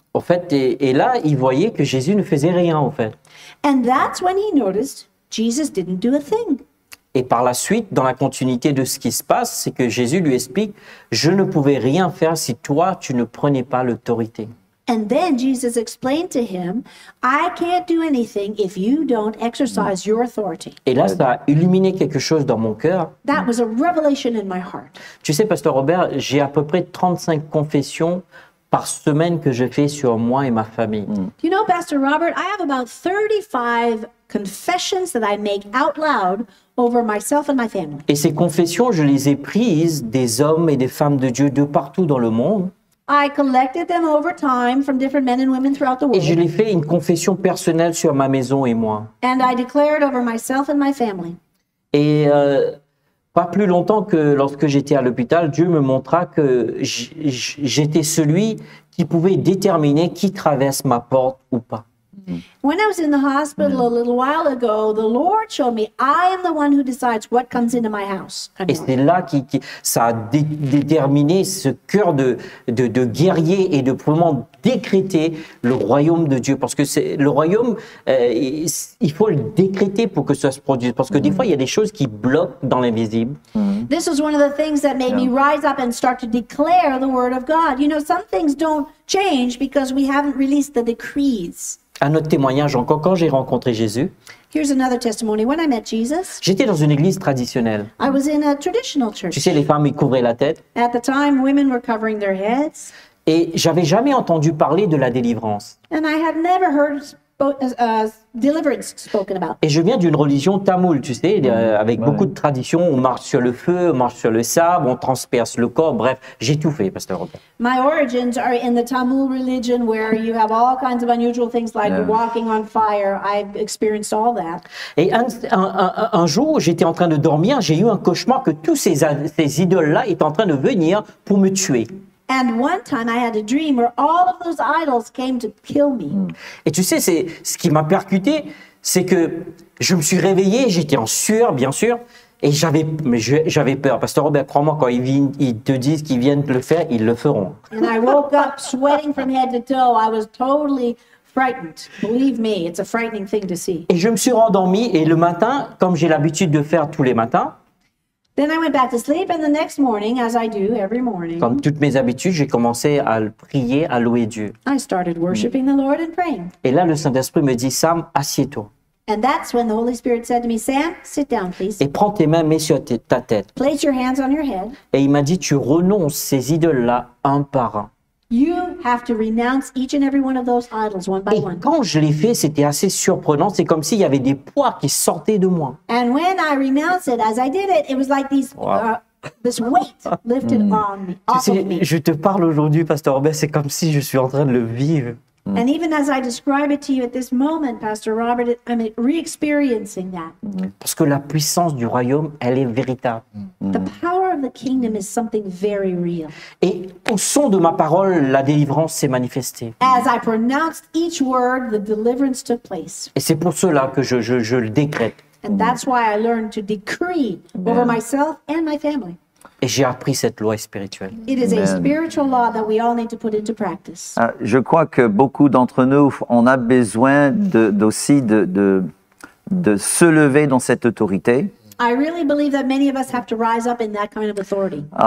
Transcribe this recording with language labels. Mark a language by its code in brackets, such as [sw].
[fr] En fait, et là, il voyait que Jésus ne faisait rien, en fait. [en] And that's when he noticed Jesus didn't do a thing. [fr] Et par la suite, dans la continuité de ce qui se passe, c'est que Jésus lui explique, je ne pouvais rien faire si toi, tu ne prenais pas l'autorité. [en] And then Jesus explained to him, I can't do anything if you don't exercise your authority. [fr] Et là, ça a illuminé quelque chose dans mon cœur. [en] That was a revelation in my heart. [fr] Tu sais, Pasteur Robert, j'ai à peu près 35 confessions par semaine que je fais sur moi et ma famille. [en] You know, Pastor Robert, I have about 35 confessions that I make out loud over myself and my family. [fr] Et ces confessions, je les ai prises des hommes et des femmes de Dieu de partout dans le monde. [en] I collected them over time from different men and women throughout the world. [fr] Et je les fais une confession personnelle sur ma maison et moi. [en] And I declared over myself and my family. [fr] Et pas plus longtemps que lorsque j'étais à l'hôpital, Dieu me montra que j'étais celui qui pouvait déterminer qui traverse ma porte ou pas. [en] When I was in the hospital a little while ago, the Lord showed me I am the one who decides what comes into my house. [fr] Et c'est là qui ça a déterminé ce cœur de guerrier et de vraiment décréter le royaume de Dieu. Parce que c'est le royaume, il faut le décréter pour que ça se produise. Parce que des fois, il y a des choses qui bloquent dans l'invisible. [en] This was one of the things that made me rise up and start to declare the word of God. You know, some things don't change because we haven't released the decrees. [fr] Un autre témoignage encore, quand j'ai rencontré Jésus, [en] here's another testimony. When I met Jesus, [fr] j'étais dans une église traditionnelle. [en] I was in a traditional church. [fr] Tu sais, les femmes, ils couvraient la tête. [en] At the time, women were covering their heads. [fr] Et je n'avais jamais entendu parler de la délivrance. [en] And I had never heard deliverance spoken about. [fr] Et je viens d'une religion tamoule, tu sais, avec beaucoup de traditions. On marche sur le feu, on marche sur le sable, on transperce le corps. Bref, j'ai tout fait, Pasteur Robert. [en] My origins are in the Tamil religion, where you have all kinds of unusual things like walking on fire. I've experienced all that. [fr] Et un jour, j'étais en train de dormir, j'ai eu un cauchemar que tous ces idoles-là étaient en train de venir pour me tuer. [en] And one time I had a dream where all of those idols came to kill me. [fr] Et tu sais, c'est ce qui m'a percuté, c'est que je me suis réveillé, j'étais en sueur, bien sûr, et j'avais peur. Pasteur Robert, crois-moi, quand ils te disent qu'ils viennent le faire, ils le feront. [en] And I woke up sweating from head to toe. I was totally frightened. Believe me, it's a frightening thing to see. [fr] Et je me suis rendormi, et le matin, comme j'ai l'habitude de faire tous les matins, [en] then I went back to sleep, and the next morning, as I do every morning, [fr] comme toutes mes habitudes, j'ai commencé à le prier, à louer Dieu. [en] I started worshiping the Lord and praying. [fr] Et là, le Saint-Esprit me dit, Sam, assieds-toi. [en] And that's when the Holy Spirit said to me, Sam, sit down, please. [fr] Et prends tes mains, mets sur ta tête. [en] Place your hands on your head. [fr] Et il m'a dit, tu renonces ces idoles-là un par un. [en] You have to renounce each and every one of those idols one by one. [fr] Et quand je l'ai fait, c'était assez surprenant. C'est comme s'il y avait des poids qui sortaient de moi. [en] And when I renounced it, as I did it, it was like these, this weight lifted on me, off of me. [fr] Je te parle aujourd'hui, Pasteur Robert, c'est comme si je suis en train de le vivre. [en] And even as I describe it to you at this moment, Pastor Robert, I'm re-experiencing that. [fr] Parce que la puissance du royaume, elle est véritable. [en] The power of the kingdom is something very real. [fr] Et au son de ma parole, la délivrance s'est manifestée. [en] As I pronounced each word, the deliverance took place. [fr] Et c'est pour cela que je le décrète. [en] And that's why I learned to decree over myself and my family. [fr] Et j'ai appris cette loi spirituelle. [en] It is a spiritual law that we all need to put into practice. [fr] Je crois que beaucoup d'entre nous, on a besoin de se lever dans cette autorité. [en] I really believe that many of us have to rise up in that kind of authority.